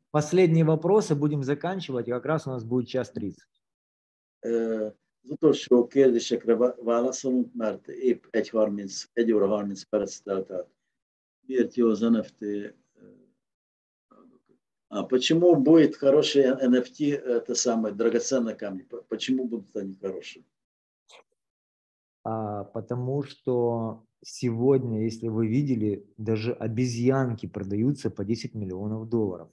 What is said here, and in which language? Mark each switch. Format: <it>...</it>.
<ru>Последние вопросы, будем заканчивать, и как раз у нас будет час 30.</ru> <hu>Utolsó kérdésekre válaszolunk, mert épp 1:30, 1 óra 30 perc telt át. Miért jó az NFT?</hu> <ru>Почему будет хороший NFT, это самое, драгоценный камень? Почему будут они хорошие? Потому что сегодня, если вы видели, даже обезьянки продаются по 10 миллионов долларов.</ru>